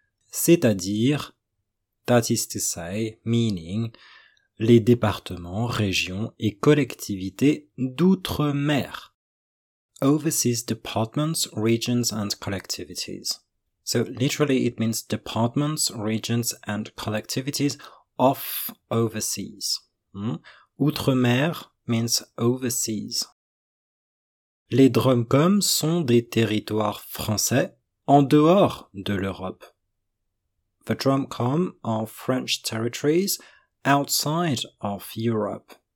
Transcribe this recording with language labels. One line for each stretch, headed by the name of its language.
French: C'est-à-dire,
English: that is to say, meaning,
French: les départements, régions et collectivités d'outre-mer.
English: Overseas departments, regions and collectivities. So literally it means departments, regions and collectivities of overseas. Outre-mer means overseas.
French: Les DROMCOM sont des territoires français en dehors de l'Europe.
English: The DROMCOM are French territories outside of Europe.